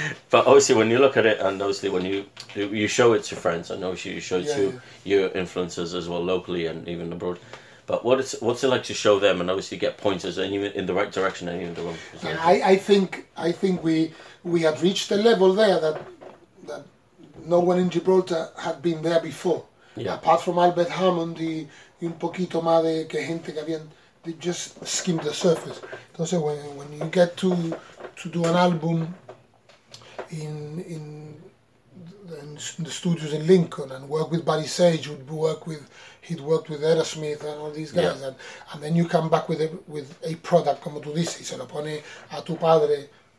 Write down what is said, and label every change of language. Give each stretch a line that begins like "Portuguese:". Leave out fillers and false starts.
English: But obviously, when you look at it, and obviously when you show it to friends, and obviously you show it to your influencers as well, locally and even abroad. But what's it like to show them and obviously get pointers in the right direction, any in the wrong direction? I think we had reached a level there that no one in Gibraltar had been there before. Yeah. Apart from Albert Hammond
Spanish: y un poquito más de que gente que habían,
English: they just skimmed the surface. Entonces, when you get to do an album in the studios in Lincoln and work with Buddy Sage, he'd worked with Aerosmith and all these guys, yeah. And then you come back with a product,
Spanish: como tú dices, y se lo pone a tu padre.